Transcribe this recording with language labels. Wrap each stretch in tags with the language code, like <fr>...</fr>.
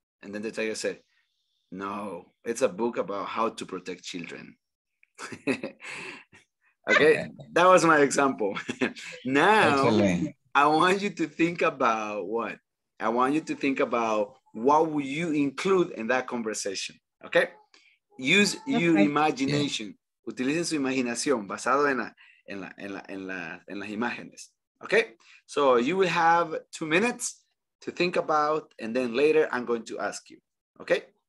<en>And then the tiger said, no, it's a book about how to protect children. Okay, that was my example. Now, I want you to think about what? I want you to think about what would you include in that conversation, okay? Use your imagination. Yeah.</en> <es>Utilicen su imaginación basado en las imágenes, okay?</es> <en>So you will have 2 minutes to think about, and then later I'm going to ask you, okay?</en>